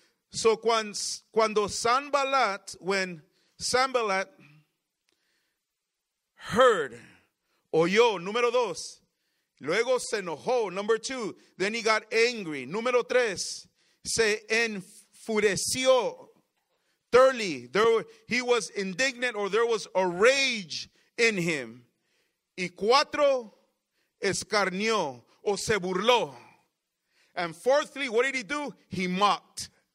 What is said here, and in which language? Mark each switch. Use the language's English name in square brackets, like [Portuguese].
[Spanish] So cuando Sanballat, [English] when Sanballat heard, [Spanish] oyó, número dos, luego se enojó, [English] number two, then he got angry, [Spanish] número tres, se enfureció. [English] Thirdly, he was indignant, or there was a rage in him. [Spanish] Y cuatro, escarnió, o se burló. [English] And fourthly, what did he do? He mocked.